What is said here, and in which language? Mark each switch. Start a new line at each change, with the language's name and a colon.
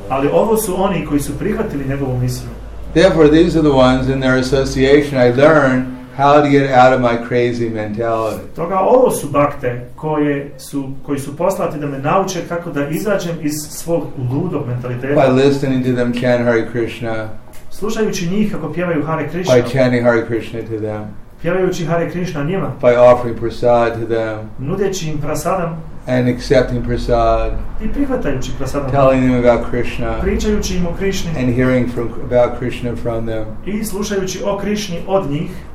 Bosnian: Ali ovo su oni koji su prihvatili njegovu misiju.
English: Therefore, these are the ones in their association I learn how to get out of my crazy mentality.
Bosnian: Toga ovo su bakte koji su poslati da me nauče kako da izađem iz svog ludog mentaliteta.
English: By listening to them chant Hare Krishna.
Bosnian: Slušajući njih kako pjevaju Hare Krishna.
English: By chanting Hare Krishna to them.
Bosnian: Pjevajući Hare Krishna njima.
English: By offering prasad to them.
Bosnian: Nudeći im prasadam.
English: And accepting prasad.
Bosnian: I prihvatajući prasadam.
English: Telling them about Krishna.
Bosnian: Pričajući im o Krishni.
English: And hearing about Krishna from them.
Bosnian: I slušajući o Krishni od njih.